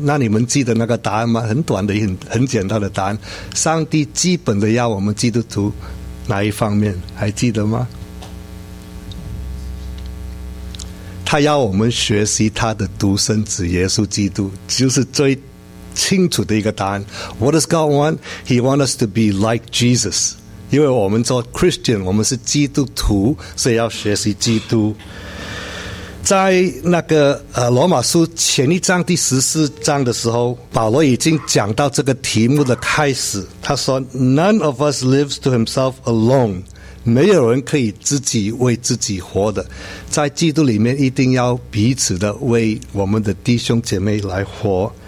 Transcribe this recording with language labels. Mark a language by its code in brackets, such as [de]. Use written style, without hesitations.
[zh] 那你们记得那个答案吗？很短的，很简单的答案。上帝基本的要我们基督徒哪一方面？还记得吗？他要我们学习他的独生子耶稣基督，就是最清楚的一个答案。 [en] What does God want? He wants us to be like Jesus. [zh] 因为我们做 Christian， 我们是基督徒，所以要学习基督。在那个罗马书前一章第十四章的时候，保罗已经讲到这个题目的开始。他说 [en] None of us lives to himself alone， [zh] 没有人可以自己为自己活的，在基督里面一定要彼此的为我们的弟兄姐妹来活。